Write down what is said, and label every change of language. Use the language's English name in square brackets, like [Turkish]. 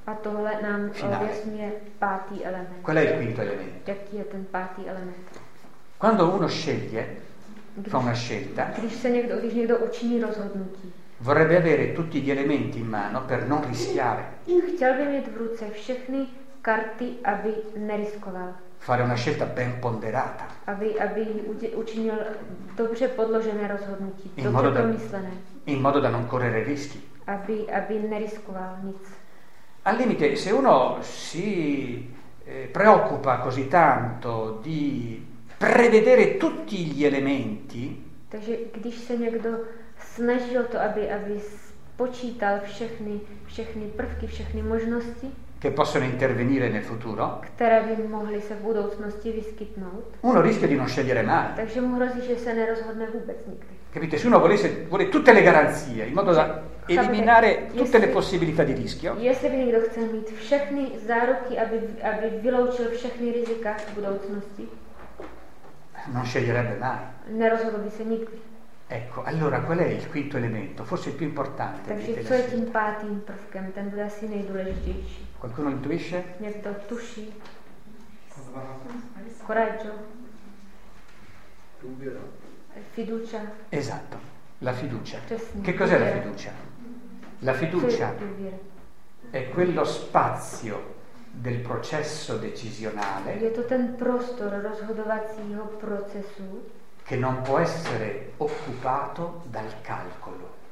[Czech] A tohle nám objasňuje pátý element. [Italian] Qual è il quinto elemento? [Czech] Jaký je ten pátý element? [Italian] Quando uno sceglie, fa una scelta. [Czech] Když někdo učiní rozhodnutí. [Italian] Vorrebbe avere tutti gli elementi in mano per non rischiare. [Czech] Chtěl by mít v ruce všechny karty, aby neriskoval. [Italian] Fare una scelta ben ponderata. [Czech] Aby učinil dobře podložené rozhodnutí, dobře promyslené. [Italian] In modo da non correre rischi. [Czech] Aby neriskoval nic. [Italian] Al limite, se uno si preoccupa così tanto di prevedere tutti gli elementi. [Czech] Takže když se někdo snažil to, aby spočítal všechny prvky, všechny možnosti, [Italian] che possono intervenire nel futuro, [Czech] které by mohly se v budoucnosti vyskytnout, [Italian] uno rischia di non scegliere mai. [Czech] Takže mu hrozí, že se nerozhodne vůbec nikdy. [Italian] Capite? Se uno vuole tutte le garanzie, in modo da eliminare tutte le possibilità di rischio. [Czech] Jestli by někdo chce mít všechny záruky, aby vyloučil všechny rizika v budoucnosti, [Italian] non sceglierebbe mai. [Czech] Nerozhodl by se nikdy. [Italian] Ecco, allora qual è il quinto elemento? Forse il più importante. [Czech] Takže co je tím pátým prvkem? Ten bude asi nejdůležitější. [Italian] Qualcuno intuisce? [Czech] Někdo tuší. [Italian] Coraggio. Fiducia. Esatto, la fiducia. Che cos'è la fiducia? La fiducia è quello spazio del processo decisionale. [Czech] Je to ten prostor rozhodovacího procesu, [Italian] che non può essere occupato dal calcolo.